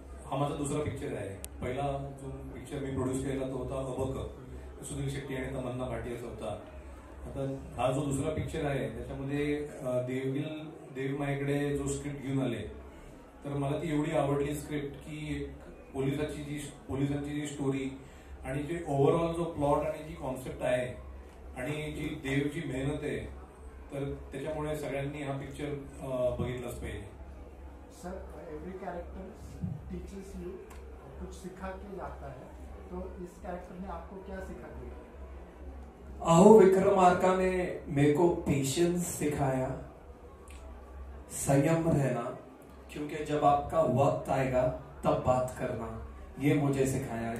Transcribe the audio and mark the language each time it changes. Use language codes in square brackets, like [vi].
[hi] हमारा दूसरा पिक्चर है, पहला जो पिक्चर मैं प्रोड्यूस किया तो होता अबक, [mr] सुधीर शेट्टी आणि तमन्ना भाटिया होता. आता हा जो दुसरा पिक्चर आहे त्याच्यामध्ये देवील देवी माईकडे जो स्क्रिप्ट घेऊन आले तर मला ती एवढी आवडली स्क्रिप्ट की एक पोलिसांची जी स्टोरी आणि जे ओव्हरऑल जो प्लॉट आणि जी कॉन्सेप्ट आहे आणि जी देवची मेहनत आहे तर त्याच्यामुळे सगळ्यांनी हा पिक्चर बघितलाच पाहिजे. [hi] Sir every character teachers you कुछ सिखा के जाता है तो इस कॅरेक्टर ने आपको क्या सिखा दिया? अहो विक्रम आर्का ने मेरे को पेशेंस सिखाया, संयम रहना क्योंकि जब आपका वक्त आएगा तब बात करना, ये मुझे सिखाया.